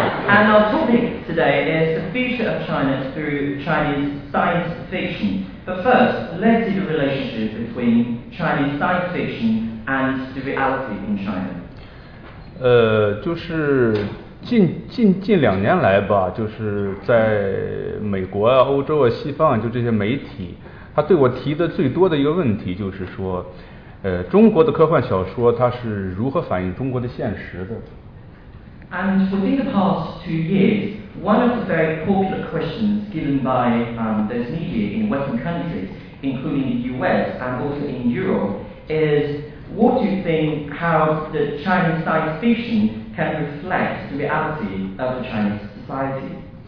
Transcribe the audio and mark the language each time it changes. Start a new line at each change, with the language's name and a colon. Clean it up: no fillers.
English: And our topic today is the future of China through Chinese science fiction. But first, let's see the relationship between Chinese science fiction and the reality in China.
Chinese: 就是近两年来吧，就是在美国啊、欧洲啊、西方啊，就这些媒体，他对我提的最多的一个问题就是说，中国的科幻小说它是如何反映中国的现实的。
English: And within the past 2 years, one of the very popular questions given by those media in Western countries, including the US and also in Europe, is what do you think how the Chinese science fiction can reflect the reality of the Chinese society?